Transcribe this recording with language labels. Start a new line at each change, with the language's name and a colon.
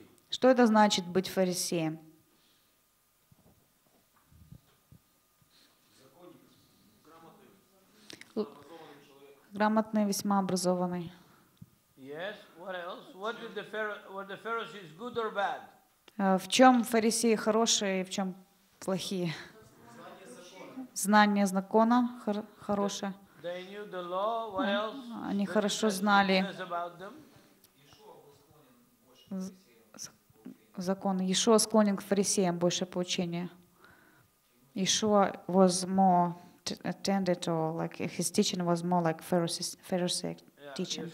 Russian: Что это значит быть фарисеем? Грамотный, весьма образованный.
English: Yes. What else? What did the were the Pharisees good or bad?
Russian: В чем фарисеи хорошие и в чем плохие? Знание закона хорошее.
English: They knew the law. What else?
Russian: Они хорошо знали закон. Иешуа склонен к фарисеям, больше поучения.
English: Иешуа was more attended or like his teaching was more like Pharisee teaching.